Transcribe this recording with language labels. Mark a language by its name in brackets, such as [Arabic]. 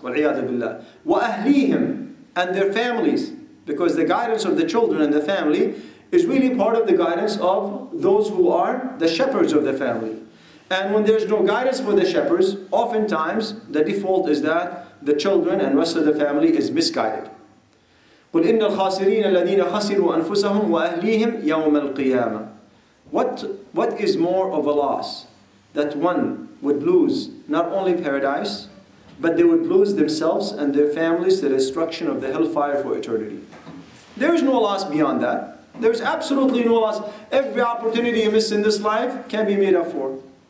[Arabic] وَالْعِيَادَ بِاللَّهِ وَأَهْلِيهِمْ. [English] And their families. Because the guidance of the children and the family is really part of the guidance of those who are the shepherds of the family. And when there's no guidance for the shepherds, oftentimes the default is that the children and rest of the family is misguided. [Arabic] قل إن الخاسرين الذين خسروا أنفسهم وأهليهم يوم القيامة. [English] What is more of a loss that one would lose not only paradise, but they would lose themselves and their families, the destruction of the hellfire for eternity. There is no loss beyond that. There is absolutely no loss. Every opportunity you miss in this life can be made up for.